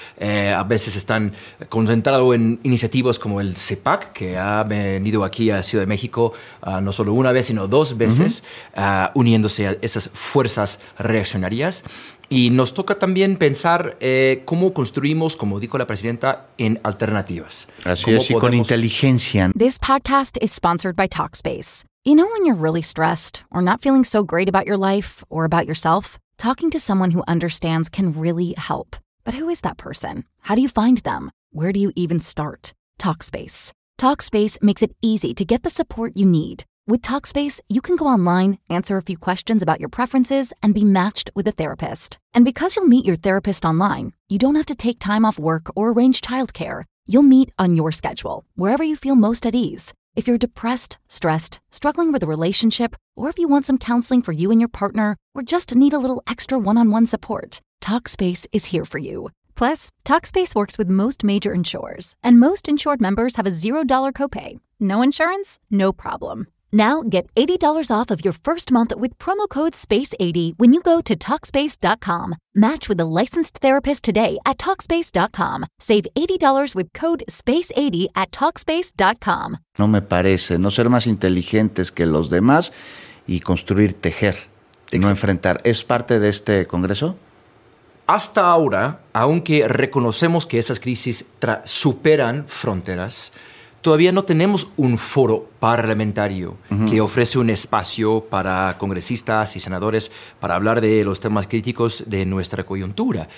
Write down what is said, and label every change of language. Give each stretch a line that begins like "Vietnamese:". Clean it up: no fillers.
Spanish: A veces están concentrados en iniciativas como el CEPAC, que ha venido aquí a Ciudad de México no solo una vez, sino dos veces, uniéndose a esas fuerzas reaccionarias. Y nos toca también pensar cómo construimos, como dijo la presidenta, en alternativas. Así es, y con inteligencia.
English: This podcast is sponsored by Talkspace. You know when you're really stressed or not feeling so great about your life or about yourself? Talking to someone who understands can really help. But who is that person? How do you find them? Where do you even start? Talkspace. Talkspace makes it easy to get the support you need. With Talkspace, you can go online, answer a few questions about your preferences, and be matched with a therapist. And because you'll meet your therapist online, you don't have to take time off work or arrange childcare. You'll meet on your schedule, wherever you feel most at ease. If you're depressed, stressed, struggling with a relationship, or if you want some counseling for you and your partner, or just need a little extra one-on-one support, Talkspace is here for you. Plus, Talkspace works with most major insurers, and most insured members have a $0 copay. No insurance? No problem. Now, get $80 off of your first month with promo code SPACE80 when you go to Talkspace.com. Match with a licensed therapist today at Talkspace.com. Save $80 with code SPACE80 at Talkspace.com.
Spanish: No me parece no ser más inteligentes que los demás y construir, tejer, y no enfrentar. ¿Es parte de este congreso? Hasta ahora, aunque reconocemos que esas crisis superan fronteras, todavía no tenemos un foro parlamentario que ofrece un espacio para congresistas y senadores para hablar de los temas críticos de nuestra coyuntura.